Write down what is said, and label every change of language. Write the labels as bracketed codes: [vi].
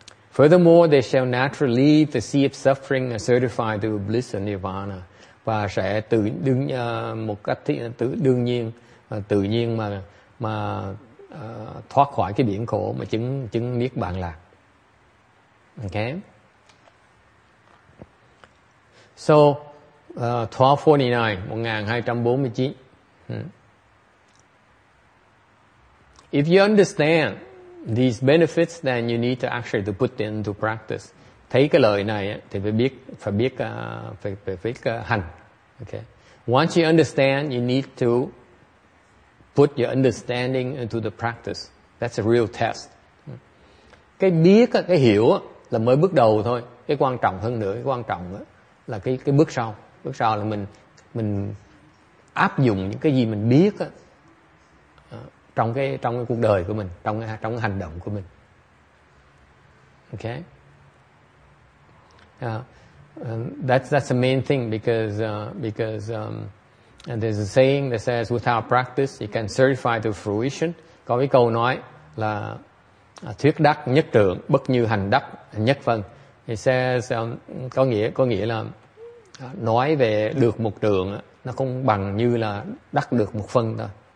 [en] Furthermore, they shall naturally leave the sea of suffering and certify to bliss and nirvana. [vi] Và sẽ tự đương một cách tự nhiên mà thoát khỏi cái biển khổ mà chứng niết bàn lạc. [en] Okay. So 1249. If you understand these benefits, then you need to actually to put them into practice. [vi] Thấy cái lợi này thì phải biết hành. [en] Okay. Once you understand, you need to put your understanding into the practice. That's a real test. [vi] Cái biết, cái hiểu là mới bước đầu thôi. Cái quan trọng hơn nữa, cái quan trọng là cái bước sau. Bước sau là mình áp dụng những cái gì mình biết trong cái cuộc đời của mình, trong cái hành động của mình. [en] Okay. That's the main thing because there's a saying that says without practice you can certify to fruition. [vi] Có cái câu nói là thuyết đắc nhất trượng, bất như hành đắc nhất phân. [en] It says [vi] có nghĩa là nói về được một trượng nó không bằng như là đắc được một phân thôi.